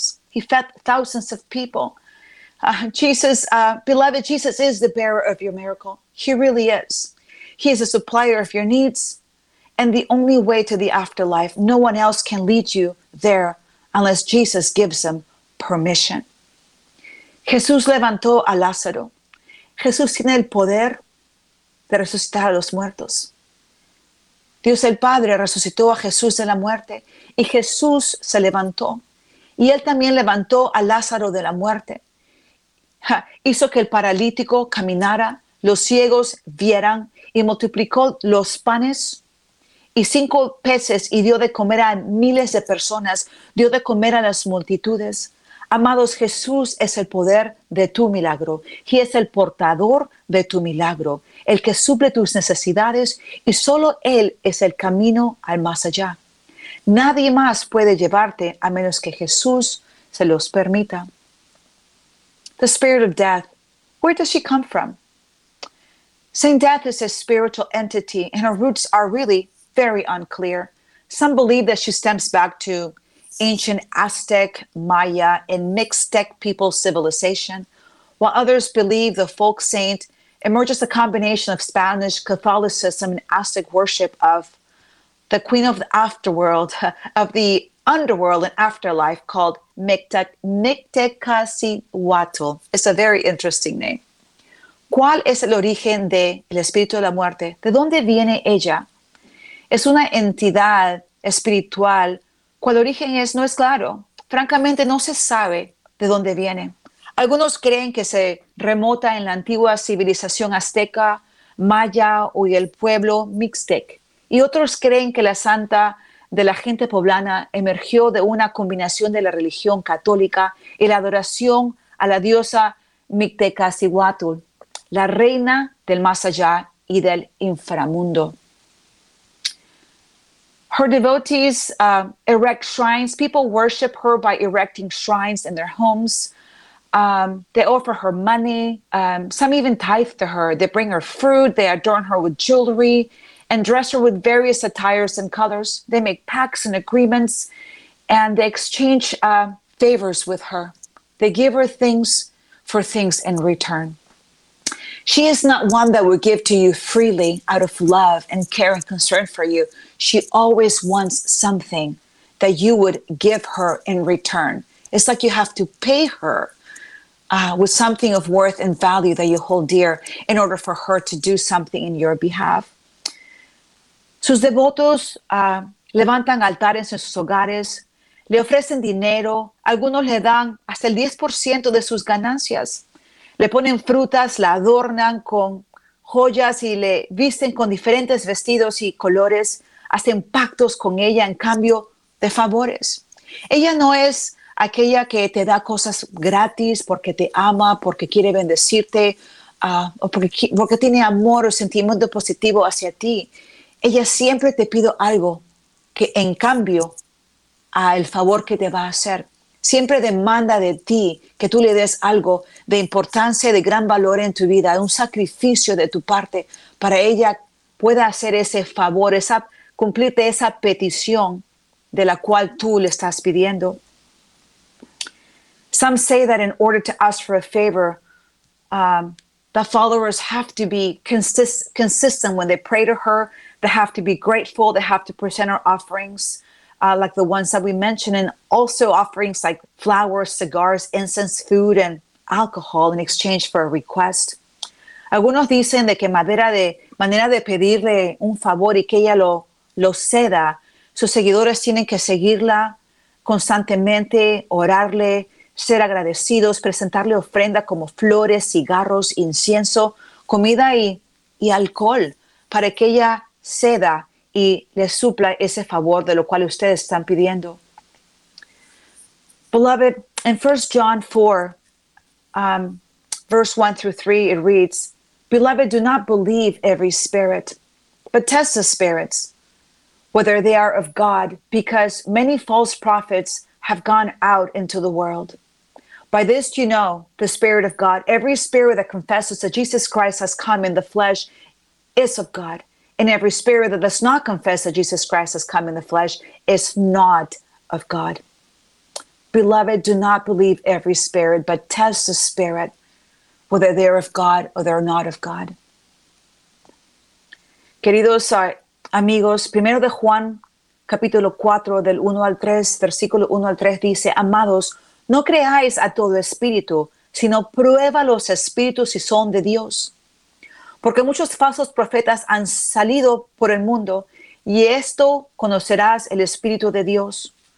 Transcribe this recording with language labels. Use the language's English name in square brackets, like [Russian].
[English] He fed thousands of people. Jesus is the bearer of your miracle. He really is. He is a supplier of your needs and the only way to the afterlife. No one else can lead you there unless Jesus gives them permission. [Spanish] Jesús levantó a Lázaro. Jesús tiene el poder de resucitar a los muertos. Dios el Padre resucitó a Jesús de la muerte y Jesús se levantó. Y Él también levantó a Lázaro de la muerte. Hizo que el paralítico caminara, los ciegos vieran y multiplicó los panes y 5 peces y dio de comer a miles de personas, dio de comer a las multitudes. Amados, Jesús es el poder de tu milagro. Él es el portador de tu milagro, el que suple tus necesidades, y solo Él es el camino al más allá. Nadie más puede llevarte a menos que Jesús se los permita. [English] The spirit of death, where does she come from? Saint Death is a spiritual entity, and her roots are really very unclear. Some believe that she stems back to ancient Aztec, Maya, and Mixtec people civilization, while others believe the folk saint emerges a combination of Spanish Catholicism and Aztec worship of the queen of the afterworld, of the underworld and afterlife called Mictlantecuhtli. It's a very interesting name. [Spanish] ¿Cuál es el origen del espíritu de la muerte? ¿De dónde viene ella? ¿Es una entidad espiritual? ¿Cuál origen es? No es claro. Francamente, no se sabe de dónde viene. Algunos creen que se remota en la antigua civilización azteca, maya o el pueblo Mixtec. Y otros creen que la santa de la gente poblana emergió de una combinación de la religión católica y la adoración a la diosa Mictlantecuhtli, la reina del más allá y del inframundo. [English] Her devotees erect shrines. People worship her by erecting shrines in their homes. They offer her money. Some even tithe to her. They bring her fruit. They adorn her with jewelry and dress her with various attires and colors. They make pacts and agreements, and they exchange favors with her. They give her things for things in return. She is not one that would give to you freely out of love and care and concern for you. She always wants something that you would give her in return. It's like you have to pay her with something of worth and value that you hold dear in order for her to do something in your behalf. [Spanish] Sus devotos levantan altares en sus hogares, le ofrecen dinero, algunos le dan hasta el 10% de sus ganancias. Le ponen frutas, la adornan con joyas y le visten con diferentes vestidos y colores, hacen pactos con ella en cambio de favores. Ella no es aquella que te da cosas gratis porque te ama, porque quiere bendecirte, o porque tiene amor o sentimiento positivo hacia ti. Ella siempre te pide algo que en cambio al favor que te va a hacer. Siempre demanda de ti que tú le des algo de importancia, de gran valor en tu vida, un sacrificio de tu parte para ella pueda hacer ese favor, esa, cumplirte esa petición de la cual tú le estás pidiendo. [English] Some say that in order to ask for a favor, the followers have to be consistent when they pray to her. They have to be grateful. They have to present her offerings. Like the ones that we mentioned, and also offerings like flowers, cigars, incense, food, and alcohol in exchange for a request. [Spanish] Algunos dicen de que manera de pedirle un favor y que ella lo ceda, sus seguidores tienen que seguirla constantemente, orarle, ser agradecidos, presentarle ofrenda como flores, cigarros, incienso, comida y alcohol para que ella ceda y le supla ese favor de lo cual ustedes están pidiendo. [English] Beloved, in 1 John 4, verse 1 through 3, it reads, "Beloved, do not believe every spirit, but test the spirits, whether they are of God, because many false prophets have gone out into the world. By this you know the Spirit of God. Every spirit that confesses that Jesus Christ has come in the flesh is of God. And every spirit that does not confess that Jesus Christ has come in the flesh is not of God. Beloved, do not believe every spirit, but test the spirit whether they are of God or they are not of God." [Spanish] Queridos amigos, primero de Juan, capítulo 4, del 1 al 3, versículo 1 al 3, dice, "Amados, no creáis a todo espíritu, sino prueba los espíritus si son de Dios. Porque muchos falsos profetas han salido por el mundo, y esto conocerás el Espíritu de Dios.